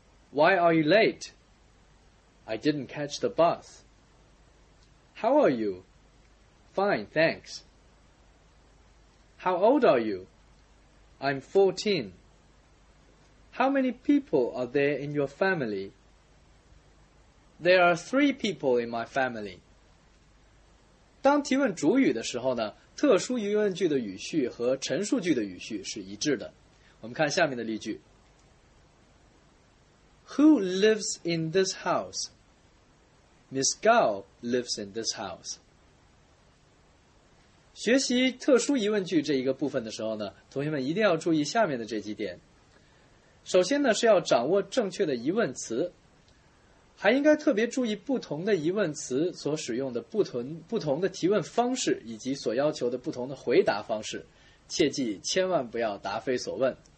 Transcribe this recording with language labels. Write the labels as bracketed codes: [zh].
[en] Why are you late? I didn't catch the bus. How are you? Fine, thanks. How old are you? I'm 14. How many people are there in your family? There are 3 people in my family. [zh] 当提问主语的时候呢，特殊疑问句的语序和陈述句的语序是一致的。我们看下面的例句。 [en] Who lives in this house? Miss Gao lives in this house. [zh] 学习特殊疑问句这一个部分的时候呢，同学们一定要注意下面的这几点。首先呢，是要掌握正确的疑问词，还应该特别注意不同的疑问词所使用的不同的提问方式，以及所要求的不同的回答方式，切记千万不要答非所问，